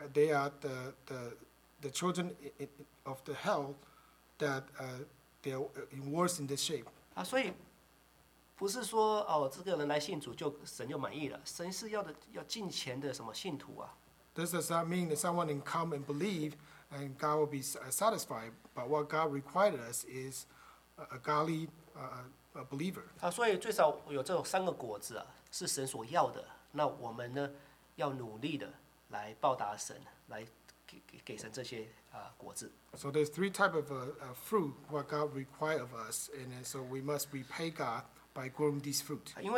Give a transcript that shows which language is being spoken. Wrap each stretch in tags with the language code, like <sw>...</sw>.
<en>They are the children of the hell that they are worse in this shape.</en> <zh>所以不是说这个人来信主就神就满意了，神是要的要敬虔的什么信徒啊。 This does not mean that someone can come and believe and God will be satisfied, but what God required us is a godly believer. 所以最少有这三个果子啊，是神所要的，那我们呢？要努力的来报答神，来给神这些果子。</zh> <en>So there's three types of fruit what God requires of us, and so we must repay God by growing these fruit.</en>